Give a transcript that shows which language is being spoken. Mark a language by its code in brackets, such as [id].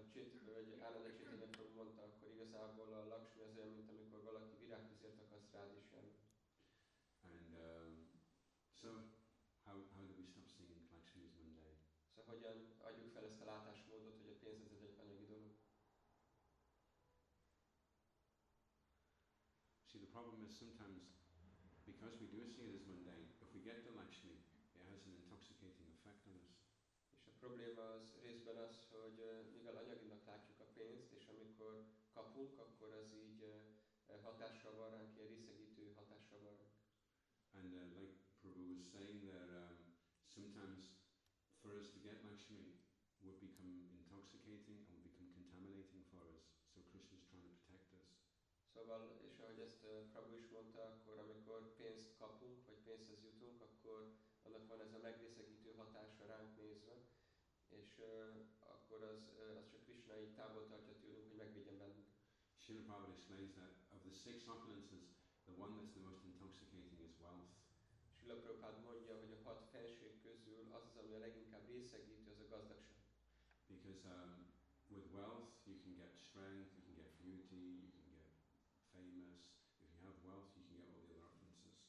[hu] Egy Ananda Chaitanya Prabhu mondta, akkor igazából a Lakshmi az olyan, mint amikor valaki virágközért akaszt [en] Radhe's shoulder. And so how do we stop seeing Lakshmi as mundane? [hu] Szóval hogyan adjuk fel ezt a látásmódot, hogy a pénz az egy anyagi dolog? [en] See, the problem is sometimes because we do see it as mundane, if we get the Lakshmi, it has an intoxicating effect on us. [hu] És a probléma az részben az, hogy mivel anyaginak látjuk a pénzt, és amikor kapunk, akkor az így hatással van ránk, ilyen részegítő hatással van ránk. [en] And like Prabhu was saying there, sometimes for us to get Lakshmi would become intoxicating and would become contaminating for us, so Krishna is trying to protect us. [hu] Szóval, és ahogy ezt Prabhu is mondta, akkor amikor pénzt kapunk, vagy pénzhez jutunk, akkor annak van ez a megrészegítő hatása ránk nézve, és akkor az csak Krishna így távol tartja tőlünk, hogy megvédjen bennünk. [en] Srila Prabhupada explains that of the six opulences, the one that's the most intoxicating is wealth. [hu] Srila Prabhupada mondja, hogy a hat fenség közül az, ami a leginkább részegítő, az a gazdagság. [en] Because with wealth you can get strength, you can get beauty, you can get famous. If you have wealth, you can get all the other opulences.